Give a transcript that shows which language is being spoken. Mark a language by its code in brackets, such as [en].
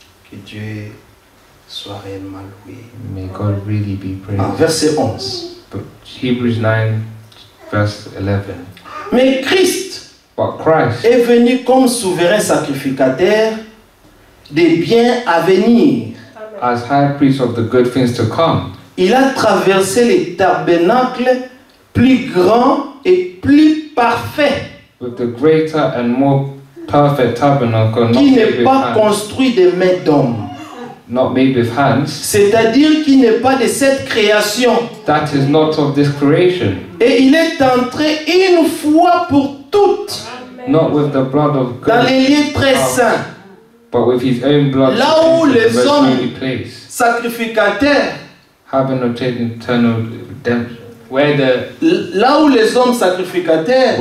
[fr] Que Dieu soit réellement loué. [en] May God really be praised. [fr] En verset 11. [en] But Hebrews 9, verse 11. [fr] Mais Christ, [en] but Christ [fr] est venu comme souverain sacrificateur des biens à venir. [en] As high priest of the good things to come. [fr] Il a traversé les tabernacles plus grands et plus parfaits. [en] With the greater and more perfect tabernacle, not [fr] qui n'est pas construit de mains d'homme. [en] Not made with hands. [fr] C'est-à-dire qui n'est pas de cette création. [en] That is not of this creation. [fr] Et il est entré une fois pour toutes. [en] Amen. Not with the blood of God. [fr] Dans les lieux très saints. [en] But with his own blood, [fr] là où les hommes sacrificataires, là où les hommes sacrificataires,